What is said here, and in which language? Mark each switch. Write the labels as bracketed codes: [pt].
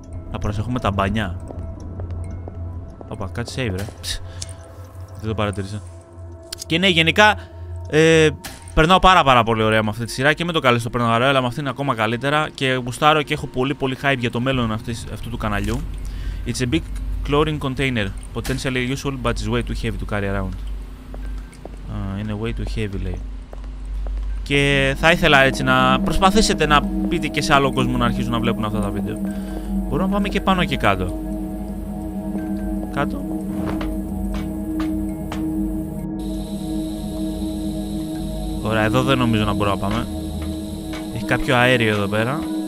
[el] Να προσεχούμε τα μπανιά. Ωπα, κάτι save, ρε. Δεν το παρατηρήσα. Και ναι, γενικά περνάω πάρα πολύ ωραία με αυτή τη σειρά και με το καλύτερο περνάω ωραία, αλλά με αυτή είναι ακόμα καλύτερα και γουστάρω και έχω πολύ hype για το μέλλον αυτού του καναλιού. [en] It's a big chlorine container, potentially useful but it's way too heavy to carry around. [el] Είναι [en] way too heavy, [el] λέει. Και θα ήθελα έτσι να προσπαθήσετε να πείτε και σε άλλο κόσμο να αρχίσουν να βλέπουν αυτά τα βίντεο. Μπορούμε να πάμε και πάνω και κάτω. Κάτω. Ωραία, εδώ δεν νομίζω να μπορώ να πάμε. Έχει κάποιο αέριο εδώ πέρα.